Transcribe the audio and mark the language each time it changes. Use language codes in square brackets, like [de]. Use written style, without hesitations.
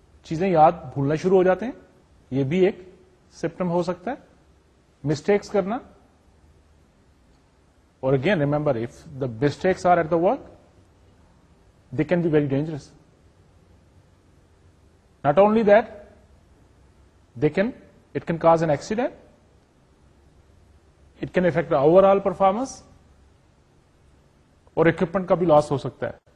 [ur] چیزیں یاد بھولنا شروع ہو جاتے ہیں, یہ بھی ایک سمپٹم ہو سکتا ہے. [en] Mistakes کرنا, اور again remember, if the mistakes are at the work, they can be very dangerous. Not only that, they can, it can cause an accident, it can affect overall performance, [ur] اور equipment کا بھی لاس ہو سکتا ہے.